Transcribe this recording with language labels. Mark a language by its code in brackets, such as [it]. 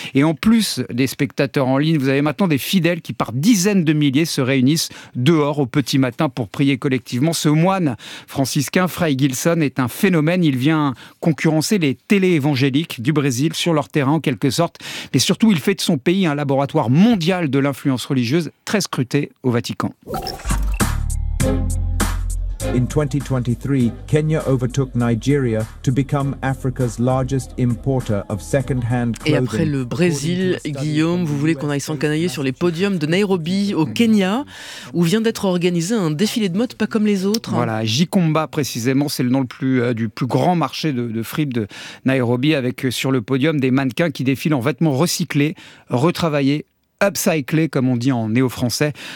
[fr] Et en plus des spectateurs en ligne, vous avez maintenant des fidèles qui, par dizaines de milliers, se réunissent dehors au petit matin pour prier collectivement. Ce moine franciscain, Frei Gilson, est un phénomène. Il vient concurrencer les télé-évangéliques du Brésil sur leur terrain, en quelque sorte. Mais surtout, il fait de son pays un laboratoire mondial de l'influence religieuse, très scruté au Vatican. [en] In 2023, Kenya overtook Nigeria to become Africa's largest importer of second-hand clothing. [fr] Et après le Brésil, Guillaume, vous voulez qu'on aille s'encanailler sur les podiums de Nairobi au Kenya, où vient d'être organisé un défilé de mode pas comme les autres. Voilà, Gikomba précisément, c'est le nom du plus grand marché de fripes de Nairobi, avec sur le podium des mannequins qui défilent en vêtements recyclés, retravaillés, upcyclé, comme on dit en néo-français.